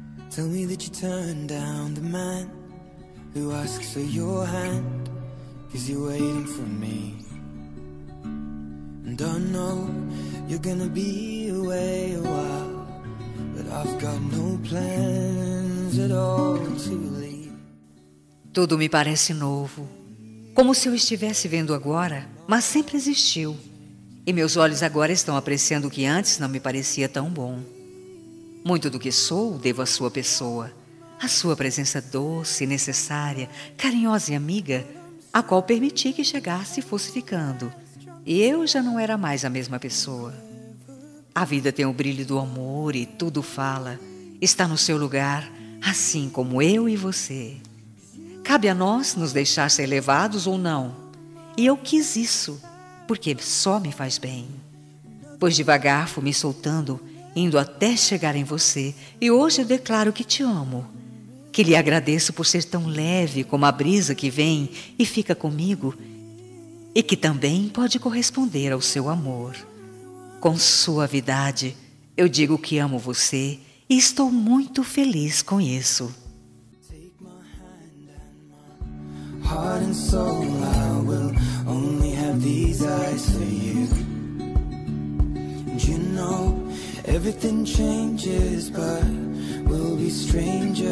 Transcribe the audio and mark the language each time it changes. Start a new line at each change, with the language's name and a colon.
English: Tell me that you turned down the man who asks for your hand, 'cause you're waiting for me. And I know you're gonna be away a while, but I've got no plans at all to leave.
Portuguese: Tudo me parece novo, como se eu estivesse vendo agora, mas sempre existiu. E meus olhos agora estão apreciando o que antes não me parecia tão bom. Muito do que sou, devo à sua pessoa, à sua presença doce, necessária, carinhosa e amiga, a qual permiti que chegasse e fosse ficando. E eu já não era mais a mesma pessoa. A vida tem o brilho do amor e tudo fala. Está no seu lugar, assim como eu e você. Cabe a nós nos deixar ser levados ou não. E eu quis isso, porque só me faz bem. Pois devagar fui me soltando, indo até chegar em você. E hoje eu declaro que te amo. Que lhe agradeço por ser tão leve como a brisa que vem e fica comigo. E que também pode corresponder ao seu amor. Com suavidade, eu digo que amo você e estou muito feliz com isso.
English: Heart and soul, I will only have these eyes for you. And you know, everything changes, but we'll be strangers.